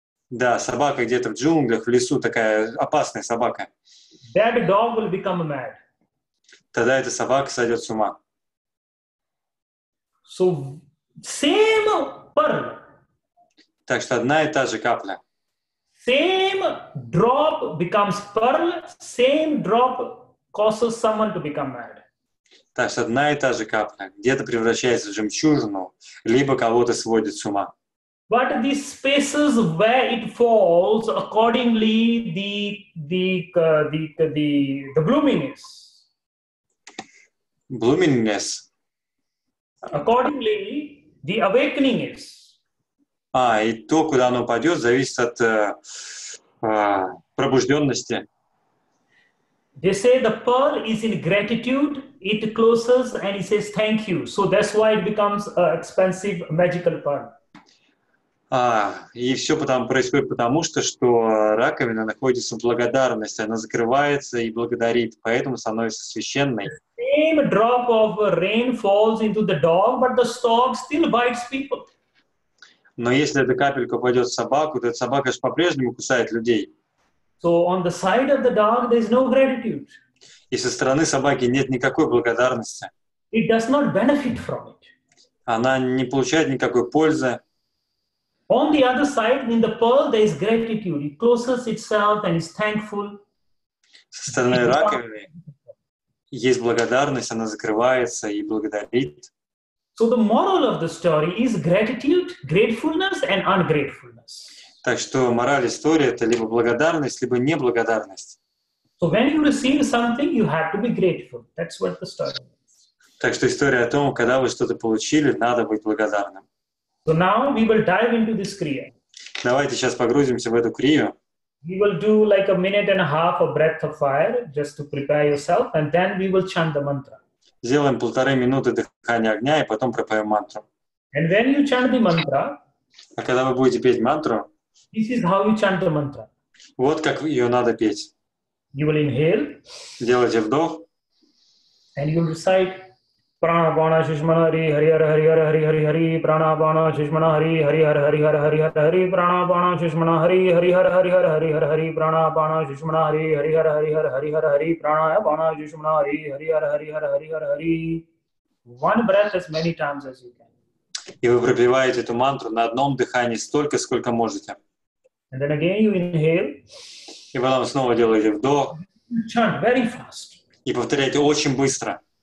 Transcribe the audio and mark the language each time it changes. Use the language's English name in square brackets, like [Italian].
[Russian] Да, собака где-то в джунглях, в лесу, такая опасная собака. [English] That dog will become mad. [Russian] Тогда эта собака сойдет с ума. [English] So same pearl. [Russian] Так что одна и та же капля. [English] Same drop becomes pearl. Same drop causes someone to become mad. [Russian] Так что одна и та же капля где-то превращается в жемчужину, либо кого-то сводит с ума. [English] But the spaces where it falls, accordingly the bloominess. Bloominess. Accordingly, the awakening is. [Russian] А, и то, куда оно пойдет, зависит от пробужденности. [English] They say the pearl is in gratitude, it closes and it says thank you. So that's why it becomes an expensive magical pearl. [Russian] А, и все потом происходит потому, что раковина находится в благодарности, она закрывается и благодарит, поэтому становится священной. [English] Same drop of rain falls into the dog, but the dog still bites people. [Russian] Но если эта капелька упадет в собаку, то эта собака же по-прежнему кусает людей. [English] So on the side of the dog, there is no gratitude. [Russian] И со стороны собаки нет никакой благодарности. [English] It does not benefit from it. [Russian] Она не получает никакой пользы. [English] On the other side, in the pearl, there is gratitude. It closes itself and is thankful. [Russian] Со стороны раковины есть благодарность, она закрывается и благодарит. [English] So the moral of the story is gratitude, gratefulness and ungratefulness. [Russian] Так что мораль истории — это либо благодарность, либо неблагодарность. [English] So when you receive something, you have to be grateful. That's what the story is. [Russian] Так что история о том, когда вы что-то получили, надо быть благодарным. [English] So now we will dive into this kriya. [Russian] Давайте сейчас погрузимся в эту крию. [English] We will do like a minute and a half of breath of fire just to prepare yourself, and then we will chant the mantra. [Russian] Сделаем 1.5 минуты дыхания огня и потом пропоем мантру. [English] And when you chant the mantra, [Russian] а когда вы будете петь мантру, [English] this is how you chant the mantra. [Russian] Вот как ее надо петь. [English] You will inhale. [Russian] Делайте вдох. [English] And you will recite. [Sanskrit] Prana bana shishmana hari hari hari hari hari hari hari prana bana shishmana hari hari hari hari hari hari hari hari prana bana shishmana hari hari hari hari hari hari hari hari prana bana shishmana hari hari hari hari hari hari hari hari prana bana shishmana hari hari hari hari hari hari hari hari. [English] One breath as many times as you can. [Russian] И вы пропеваете эту мантру на одном дыхании столько, сколько можете. [English] And then again you inhale. [Russian] И потом снова делаете вдох. [English] Chant very fast. [Russian] И повторяете очень быстро.